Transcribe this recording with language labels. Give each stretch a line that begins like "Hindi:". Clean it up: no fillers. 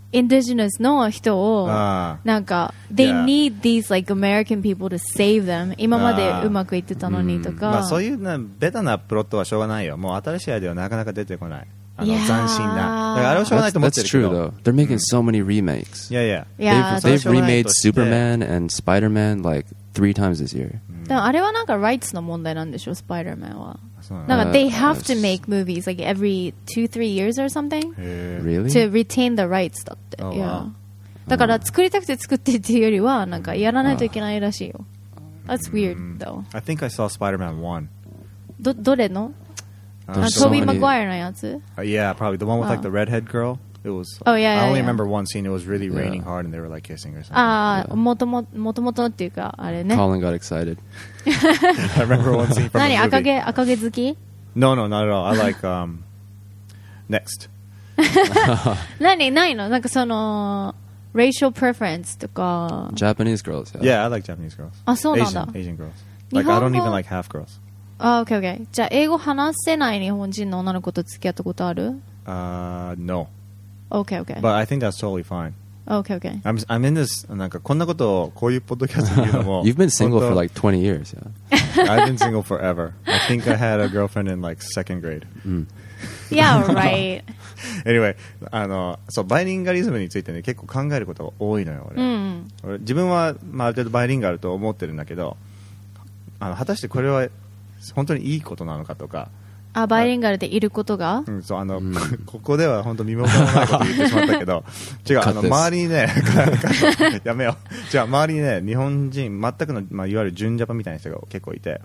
Japanese: インディジネスの人をなんか
English: they need these like American people to save them、
Japanese: 今までうまくいってたのにとか、うん、まあ、そういうなベタなプロットはしょうがないよ。もう新しいアイデアはなかなか出てこない、あの、
English: yeah.
Japanese: 斬新な。だからあれはしょうがないと思ってるけど。
English: That's true though. They're making so many remakes. Yeah, yeah. Yeah. They've remade Superman and Spider-Man like three times this year.
Japanese: でもあれはなんか rights の問題なんでしょ、Spider-Man は。なんか
English: they have to make movies like every two, three years or something. Really? To retain the rights
Japanese: だって。
English: Oh, wow. Yeah.
Japanese: だから作りたくて作ってっていうよりはなんかやらないといけないらしいよ。
English: That's weird though. I think I saw Spider-Man 1.
Japanese: どれの？Tobey Maguire のやつ?
English: Yeah, probably the one with like the redhead girl. It was. Oh yeah, yeah. I only remember one scene. It was really raining hard, and they were like kissing or something. Ah, yeah.
Japanese: 元々っていうかあれね。
English: Colin got excited. I remember one scene from the movie.
Japanese: 何赤毛好き?
English: No, no, not at all. I like next.
Japanese: 何ないの?なんかその
English: racial preference
Japanese: とか。
English: Japanese girls. Yeah, I like Japanese girls.
Japanese: あ、そうなんだ。
English: Asian girls. Like I don't even like half girls. Oh, okay, okay.
Japanese: じゃあ英語話せない日本人の女の子と付き合ったことある？
English: No. Okay, okay. But I think that's totally fine. Okay, okay. I'm in this,
Japanese: なんかこんなことをこういうポッドキャストで言うのも。
English: You've been single for like 20 years, yeah. I've been single forever. I think I had a girlfriend in like second grade. Yeah, right.
Japanese: Anyway, あの、そう、バイリンガリズムについてね、結構考えることが多いのよ、俺。 Mm-hmm. 俺自分は、まあ、ある程度バイリンガルと思ってるんだけど、あの、果たしてこれは本当にいいことなのかとか、あ、バイリンガルでいることが、うん、そう、あの、うん、ここでは本当身も心もないこと言ってしまったけど違う、あの周りにねやめよう、じゃあ周りにね日本人全くの、まあ、いわゆる純ジャパンみたいな人が結構いて、